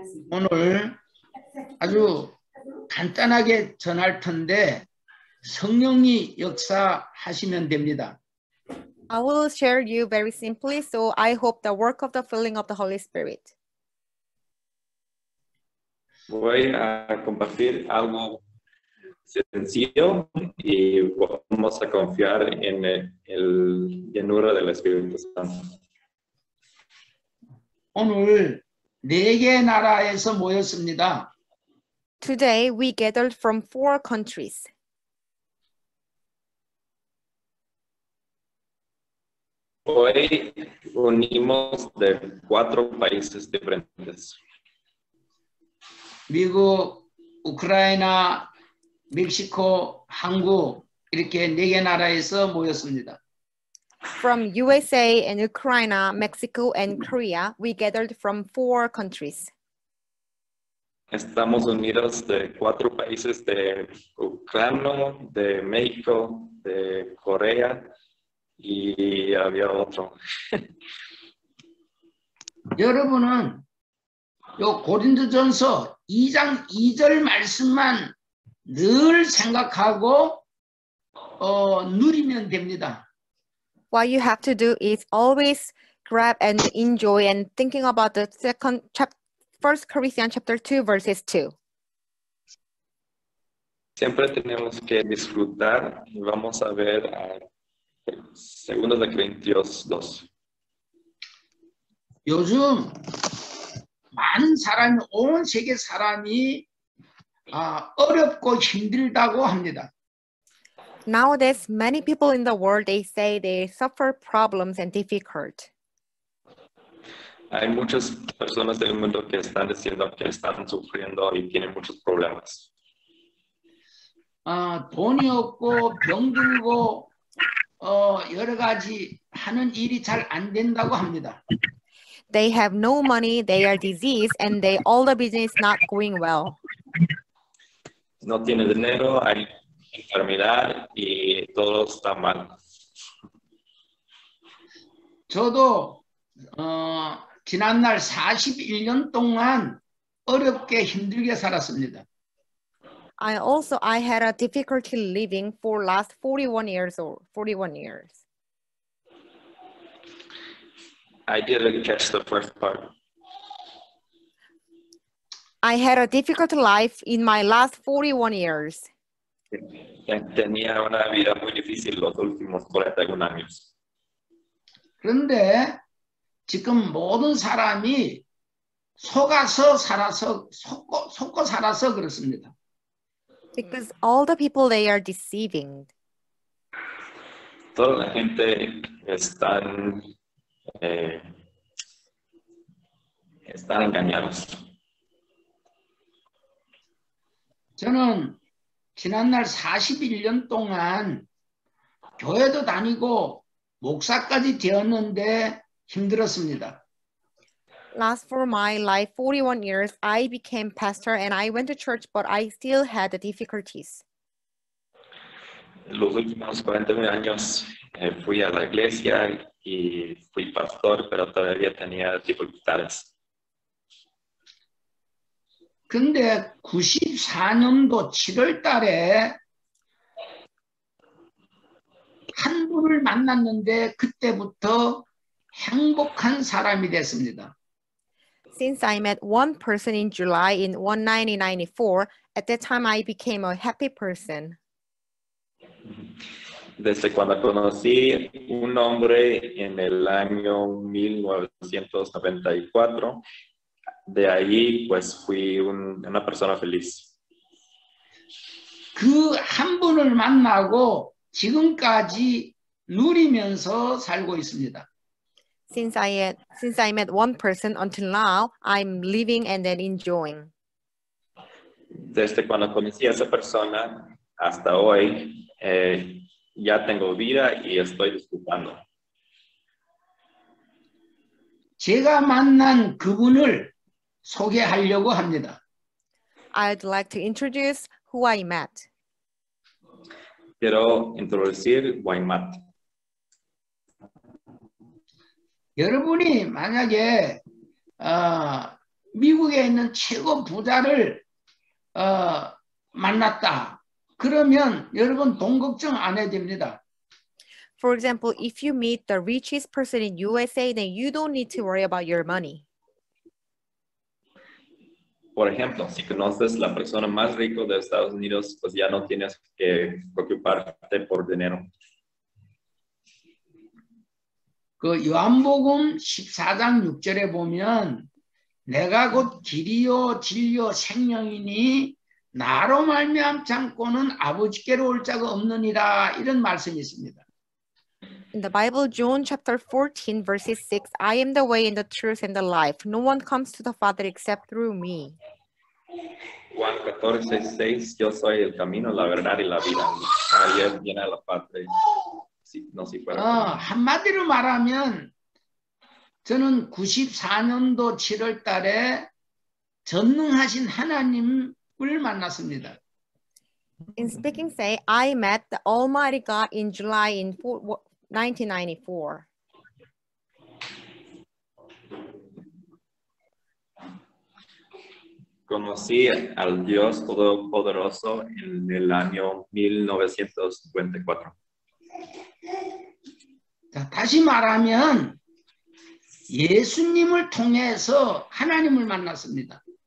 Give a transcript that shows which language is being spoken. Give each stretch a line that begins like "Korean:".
Korean: 오늘 아주 간단하게 전할 텐데 성령이 역사하시면 됩니다.
English: I will share you very simply, so I hope the work of the filling of the Holy Spirit.
Spanish: Voy a compartir algo sencillo y vamos a confiar en el llenura del Espíritu Santo.
Korean: 오늘 네 개 나라에서 모였습니다.
English: Today we gathered from four countries.
Korean: 오늘
Spanish: unimos de cuatro países diferentes.
Korean: 미국, 우크라이나, 멕시코, 한국 이렇게 네 개 나라에서 모였습니다.
English: From USA and Ukraine, Mexico and Korea, we gathered from four countries.
Spanish: Estamos unidos de cuatro países de Ucrania, de México, de Corea. Y había otro.
Korean: 여러분은 요 고린도전서 2장 2절 말씀만 늘 생각하고 누리면 됩니다.
English: What you have to do is always grab and enjoy and thinking about the second chapter, First Corinthians chapter 2 verses 2.
Spanish: Siempre tenemos que disfrutar. Vamos a ver a Segundo de Corintios 2.
Korean: 요즘 많은 사람이 온 세계 사람이 어렵고 힘들다고 합니다.
English: Nowadays many people in the world they say they suffer problems and difficult.
Spanish: Hay muchas personas del mundo que están diciendo que están sufriendo y tienen muchos problemas.
Korean: 돈이 없고 병들고 여러 가지 하는 일이 잘 안 된다고 합니다.
English: They have no money, they are diseased, and they all the business not going well.
Spanish: No tiene dinero, hay enfermedad y todo está mal.
Korean: 저도 지난 날 41년 동안 어렵게 힘들게 살았습니다.
English: I had a difficulty living for last 41 years or 41 years. I didn't catch the first part. I had a difficult life in my last 41 years.
Spanish: Tenía una vida muy difícil los últimos 41 años.
Korean: 그런데 지금 모든 사람이 속고 살아서 그렇습니다.
English: Because all the people they are deceiving.
Spanish: Toda la gente están están engañados.
Korean: 저는 지난 날 41년 동안 교회도 다니고 목사까지 되었는데 힘들었습니다.
English: Last for my life, 41 years, I became pastor and I went to church, but I still had difficulties.
Spanish: Los últimos 41 años fui a la iglesia y fui pastor, pero todavía tenía dificultades.
Korean: 근데 94년도 7월 달에 한 분을 만났는데 그때부터 행복한 사람이 됐습니다.
English: Since I met one person in July in 1994, at that time I became a happy person.
Spanish: Desde cuando conocí un hombre en el año 1994, de ahí pues fui una persona feliz.
Korean: 그 한 분을 만나고 지금까지 누리면서 살고 있습니다.
English: since I met one person until now, I'm living and then enjoying.
Spanish: Desde cuando conocí a esa persona hasta hoy, ya tengo vida y estoy disfrutando.
Korean: 제가 만난 그분을 소개하려고 합니다.
English: I'd like to introduce who I met.
Spanish: Quiero introducir
English: who I met.
Korean: 여러분이 만약에 미국에 있는 최고 부자를 만났다. 그러면 여러분 돈 걱정 안 해야 됩니다.
English: For example, if you meet the richest person in USA, then you don't need to worry about your money.
Spanish: Por ejemplo, si conoces la persona más rico de Estados Unidos, pues ya no tienes que preocuparte por dinero.
Korean: 그 요한복음 14장 6절에 보면 내가 곧 길이요 진리요 생명이니 나로 말미암지 않고는 아버지께로 올 자가 없느니라 이런 말씀이 있습니다.
English: In the Bible, John chapter 14, verse 6, I am the way and the truth and the life. No one comes to the Father except through me.
Spanish: Juan 14, 6, yo soy el camino, la verdad y la vida. Nadie viene a la Padre. Si, no, si fuera.
Korean: 한마디로 말하면, 저는 94년도 7월 달에 전능하신 하나님을 만났습니다.
English: In speaking, say, I met the Almighty God in July in 1994.
Spanish: Conocí al Dios Todopoderoso en el año 1954.
Korean: 다시 말하면 예수님을 통해서 하나님을 만났습니다.